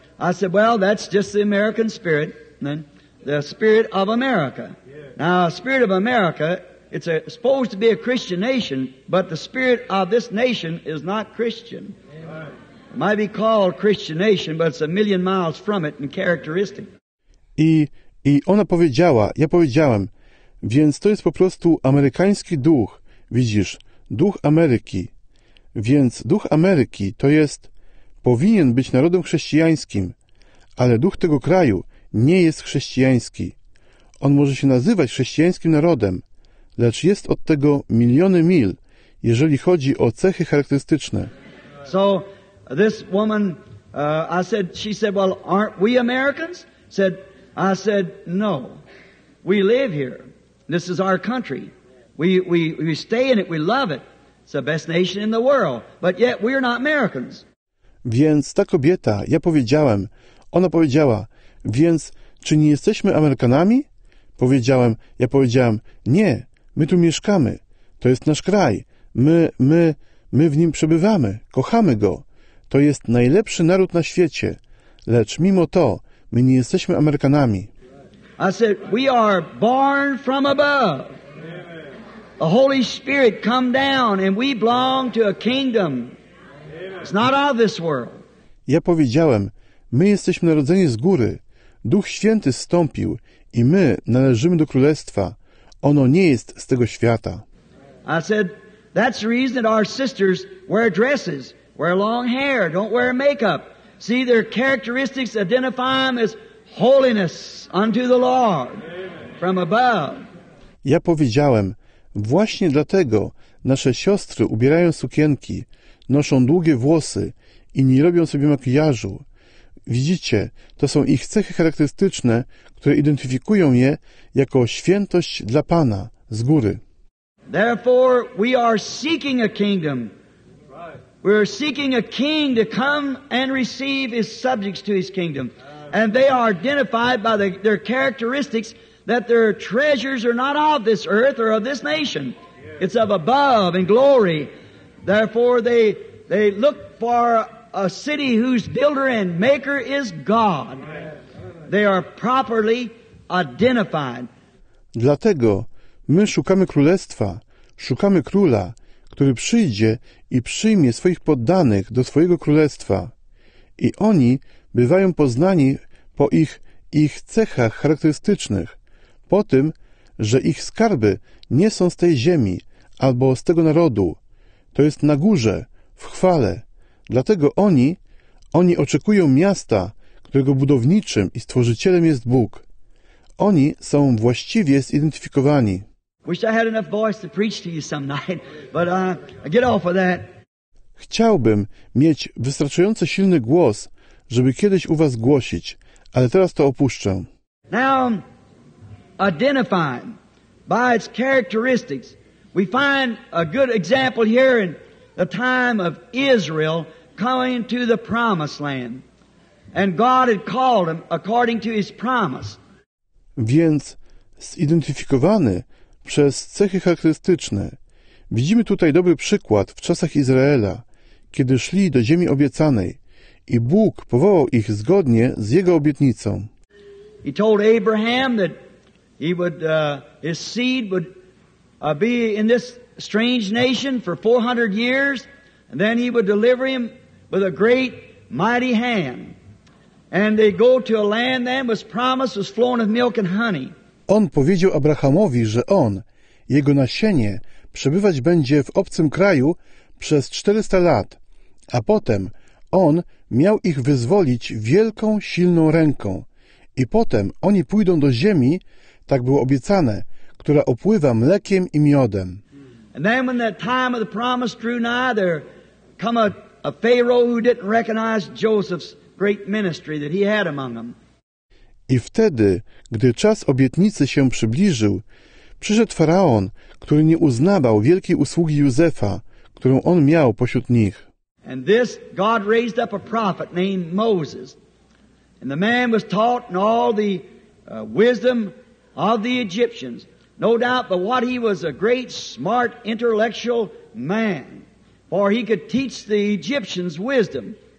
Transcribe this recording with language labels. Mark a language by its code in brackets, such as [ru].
[en] I said, well, that's just the American spirit, the spirit of America. Now, the spirit of America, it's supposed to be a Christian nation, but the spirit of this nation is not Christian. It might be called Christian nation, but it's a million miles from it in characteristic. [pl] I ona powiedziała, ja powiedziałem, więc to jest po prostu amerykański duch, widzisz, duch Ameryki. Więc duch Ameryki to jest, powinien być narodem chrześcijańskim, ale duch tego kraju nie jest chrześcijański. On może się nazywać chrześcijańskim narodem, lecz jest od tego miliony mil, jeżeli chodzi o cechy charakterystyczne. [en] So this woman, she said, well, aren't we Americans? I said, no, we live here. This is our country. We stay in it. We love it. It's the best nation in the world. But yet we are not Americans. [pl] Więc ta kobieta, ja powiedziałem, ona powiedziała, więc czy nie jesteśmy Amerykanami? Powiedziałem, nie, my tu mieszkamy. To jest nasz kraj. My w nim przebywamy. Kochamy go. To jest najlepszy naród na świecie. Lecz mimo to, my nie jesteśmy Amerykanami. [en] I said, we are born from above. The Holy Spirit come down and we belong to a kingdom. It's not of this world. [pl] Ja powiedziałem, my jesteśmy narodzeni z góry. Duch Święty zstąpił i my należymy do Królestwa. Ono nie jest z tego świata. [en] I said, that's the reason that our sisters wear dresses, wear long hair, don't wear makeup. See, their characteristics identify them as holiness unto the Lord from above. [pl] Ja powiedziałem, właśnie dlatego nasze siostry ubierają sukienki, noszą długie włosy i nie robią sobie makijażu. Widzicie, to są ich cechy charakterystyczne, które identyfikują je jako świętość dla Pana z góry. [en] Therefore, we are seeking a kingdom. We are seeking a king to come and receive his subjects to his kingdom. And they are identified by their characteristics that their treasures are not of this earth or of this nation. It's of above in glory. Therefore, they look for a city whose builder and maker is God. They are properly identified. [pl] Dlatego my szukamy królestwa, szukamy króla, który przyjdzie i przyjmie swoich poddanych do swojego królestwa. I oni bywają poznani po ich cechach charakterystycznych, po tym, że ich skarby nie są z tej ziemi albo z tego narodu. To jest na górze, w chwale. Dlatego oni oczekują miasta, którego budowniczym i stworzycielem jest Bóg. Oni są właściwie zidentyfikowani. [en] Wish I had enough voice to preach to you some night, but I get off of that. [pl] Chciałbym mieć wystarczająco silny głos, żeby kiedyś u was głosić, ale teraz to opuszczę. [en] Now, identified by its characteristics, we find a good example here in the time of Israel coming to the promised land. And God had called him according to his promise. [pl] Więc zidentyfikowany przez cechy charakterystyczne. Widzimy tutaj dobry przykład w czasach Izraela, kiedy szli do ziemi obiecanej i Bóg powołał ich zgodnie z jego obietnicą. [en] He told Abraham that he would his seed would be in this strange nation for 400 years and then he would deliver him with a great mighty hand. And they go to a land that was promised, was flowing with milk and honey. [pl] On powiedział Abrahamowi, że on, jego nasienie, przebywać będzie w obcym kraju przez 400 lat, a potem on miał ich wyzwolić wielką, silną ręką. I potem oni pójdą do ziemi, tak było obiecane, która opływa mlekiem i miodem. [en] And then when the time of the promise drew nigh, there come a Pharaoh who didn't recognize Joseph's great ministry that he had among them. [pl] I wtedy, gdy czas obietnicy się przybliżył, przyszedł faraon, który nie uznawał wielkiej usługi Józefa, którą on miał pośród nich. [en] And this God raised up a prophet named Moses. And the man was taught in all the wisdom of the Egyptians. No doubt, but what he was a great, smart, intellectual man. For he could teach the Egyptians wisdom.